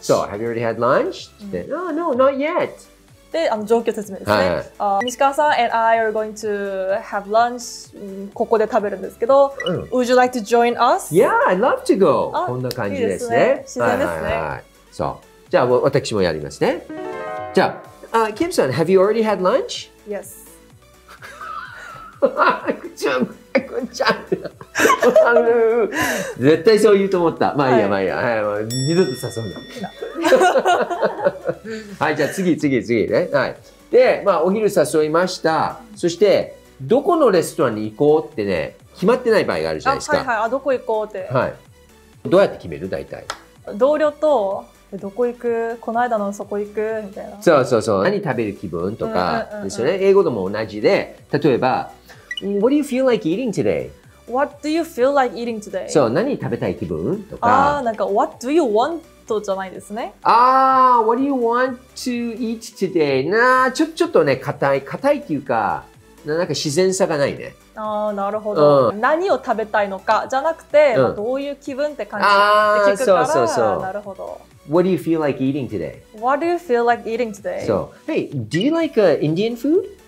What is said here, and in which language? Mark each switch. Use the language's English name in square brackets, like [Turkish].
[Japanese] そう、 [English] Have you already had lunch? って、No, no, not yet. [Japanese] で、あの状況説明ですね。はいはい、 [English] 西川さん and I are going to have lunch、 [Japanese] ここで食べるんですけど、 [English] Would you like to join us? Yeah, I'd love to go. [Japanese] こんな感じですね。いいですね。自然ですね。はい。そう。じゃあ、私もやりますね。じゃあ、 [English] Kim さん、Have you already had lunch? Yes. くちゃん。 [Japanese] 絶対そう言うと思った。まあいいや、はい、まあいいや。はい、もう二度と誘うな。はい、じゃあ次ね。はい。で、まあお昼誘いました。そして、どこのレストランに行こうってね、決まってない場合があるじゃないですか。はいはい、あ、どこ行こうって。はい。どうやって決める大体。同僚と、どこ行く、この間のそこ行くみたいな。そう。何食べる気分とか、ですよね。英語でも同じで、例えば、 [English] What do you feel like eating today? What do you feel like eating today? [Japanese] そう、何食べたい気分とか。ああ、なんか、 [English] What do you want? [Japanese] じゃないですね。 [English] ああ、What do you want to eat today? [Japanese] なあ、ちょっとね、硬いっていうか、なんか自然さがないね。ああ、なるほど。うん、何を食べたいのかじゃなくて、うん、どういう気分って感じで聞くから。ああ、そう。なるほど。 [English] What do you feel like eating today? What do you feel like eating today? [Japanese] そう。 [English] Hey, do you like、Indian food?